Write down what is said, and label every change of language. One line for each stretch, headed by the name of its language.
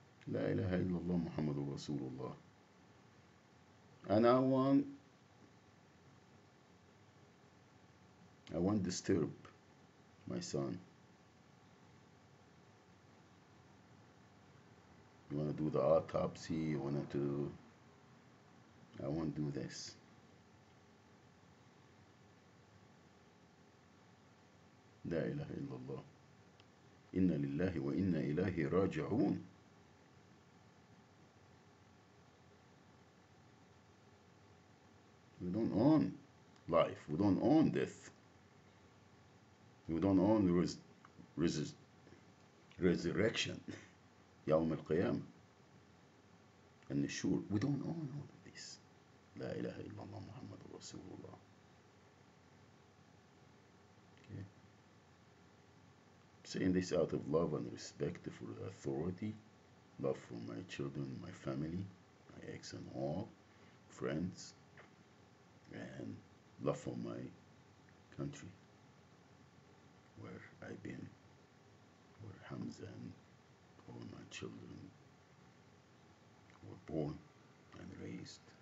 Arabic: La ilaha illallah Muhammadur Rasulullah.
English: And I won't disturb my son. You want to do the autopsy, you want to do, I won't do this.
Arabic: لا إله إلا الله، إنا لله وإنا إليه راجعون.
English: We don't own life. We don't own death. We don't own resurrection.
Arabic: يوم القيامة.
English: And the sure, we don't own all of this.
Arabic: لا إله إلا الله محمد رسول الله.
English: Saying this out of love and respect for the authority, love for my children, my family, my ex and all, friends, and love for my country, where I've been, where Hamza and all my children were born and raised.